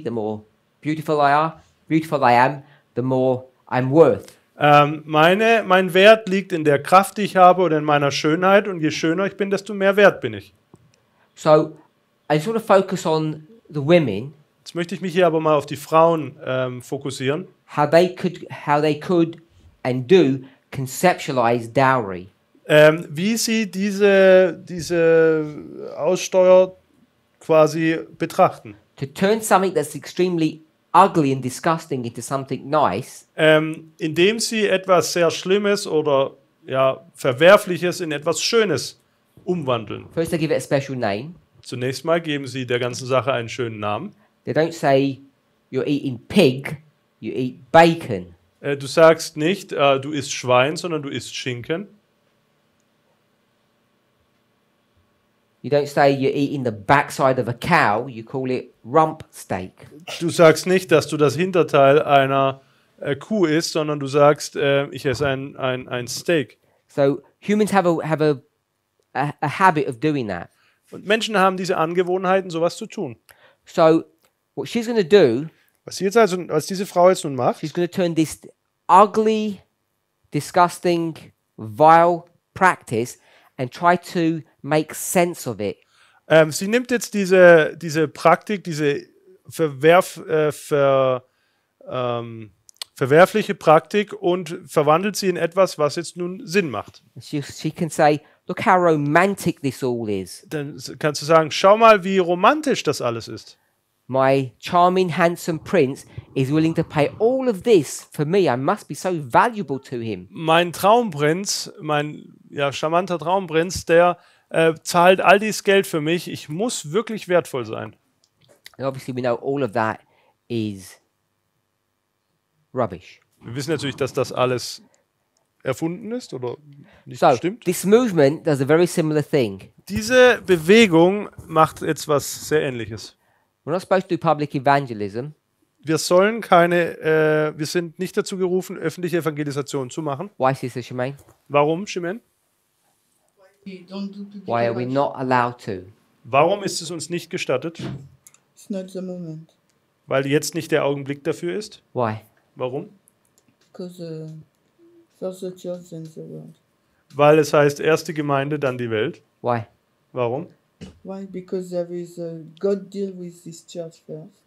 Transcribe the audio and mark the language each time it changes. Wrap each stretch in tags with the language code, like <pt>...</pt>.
<en>The more beautiful I am, the more I'm worth.</en> <de>Mein Wert liegt in der Kraft, die ich habe, oder in meiner Schönheit. Und je schöner ich bin, desto mehr wert bin ich.</de> <en>So, I just want to focus on the women.</en> <de>Jetzt möchte ich mich hier aber mal auf die Frauen fokussieren.</de> <en>How they could and do conceptualize dowry.</en> <de>Wie sie diese Aussteuer quasi betrachten.</de> <en>To turn something that's extremely ugly and disgusting into something nice.</en> <de>Indem sie etwas sehr Schlimmes oder ja Verwerfliches in etwas Schönes umwandeln.</de> <en>First they give it a special name.</en> <de>Zunächst mal geben sie der ganzen Sache einen schönen Namen.</de> <en>They don't say you're eating pig. You eat bacon.</en> <de>Du sagst nicht, du isst Schwein, sondern du isst Schinken.</de> <en>You don't say you're eating the backside of a cow. You call it rump steak.</en> <de>Du sagst nicht, dass du das Hinterteil einer Kuh isst, sondern du sagst, ich esse ein Steak.</de> <en>So humans have a habit of doing that.</en> <de>Und Menschen haben diese Angewohnheiten, sowas zu tun.</de> <en>So what she's going to do.</en> <de>Was diese Frau jetzt nun macht,</de> <en>she's going to turn this ugly, disgusting, vile practice and try to make sense of it.</en> <de>Sie nimmt jetzt diese Praktik, diese verwerfliche Praktik und verwandelt sie in etwas, was jetzt nun Sinn macht.</de> <en>She can say, look how romantic this all is.</en> <de>Dann kannst du sagen, schau mal, wie romantisch das alles ist.</de> <en>My charming, handsome prince is willing to pay all of this for me. I must be so valuable to him.</en> <de>Mein Traumprinz, charmanter Traumprinz, der zahlt all dieses Geld für mich. Ich muss wirklich wertvoll sein.</de> <en>And obviously, we know all of that is rubbish.</en> <de>Wir wissen natürlich, dass das alles erfunden ist oder nicht stimmt.</de> <en>This movement does a very similar thing.</en> <de>Diese Bewegung macht jetzt was sehr Ähnliches.</de> <en>We're not supposed to do public evangelism.</en> <de>Wir sollen keine, wir sind nicht dazu gerufen, öffentliche Evangelisation zu machen.</de> <en>Why is this, Shemaine?</en> <de>Warum, Shemaine?</de> <en>Why are we not allowed to?</en> <de>Warum ist es uns nicht gestattet?</de> <en>It's not the moment.</en> <de>Weil jetzt nicht der Augenblick dafür ist?</de> <en>Why?</en> <de>Warum?</de> <en>Because first the church and the world.</en> <de>Weil es heißt, erste Gemeinde, dann die Welt.</de> <en>Why?</en> <de>Warum?</de> <en>Why? Because there is a God deal with this church first.</en>